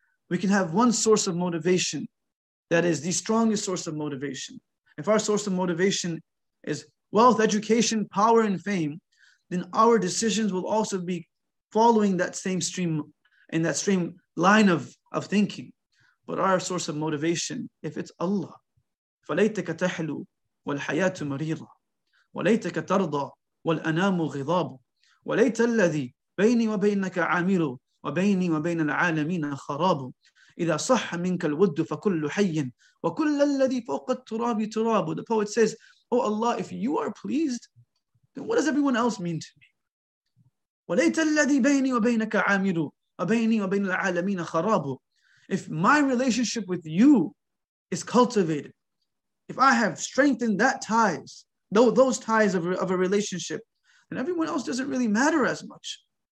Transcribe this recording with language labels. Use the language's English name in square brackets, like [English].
[English] We can have one source of motivation that is the strongest source of motivation. If our source of motivation is wealth, education, power, and fame, then our decisions will also be following that same stream and that same line of thinking. But our source of motivation, if it's Allah, [Arabic] فَلَيْتَكَ تَحْلُو وَالْحَيَاةُ مَرِيرًا وَلَيْتَكَ تَرْضَى وَالْأَنَامُ غِضَابٌ وَلَيْتَ الَّذِي بَيْنِي وَبَيْنَكَ عَامِرُ وَبَيْنِي وَبَيْنَ الْعَالَمِينَ خَرَابٌ إِذَا صَحَّ مِنْكَ الْوُدُّ فَكُلُّ حَيٍّ وَكُلَّ الَّذِي فَوْقَ التُّرَابِ تُرَابٌ. [English] The poet says, Oh Allah, if you are pleased, then what does everyone else mean to me? [Arabic] وَلَيْتَ الَّذِي بَيْنِي وَبَيْنَكَ عَامِرُ وَبَيْنِي وَبَيْنَ الْعَالَمِينَ خَرَابٌ. [English] If my relationship with you is cultivated, if I have strengthened that ties, those ties of a relationship, then everyone else doesn't really matter as much.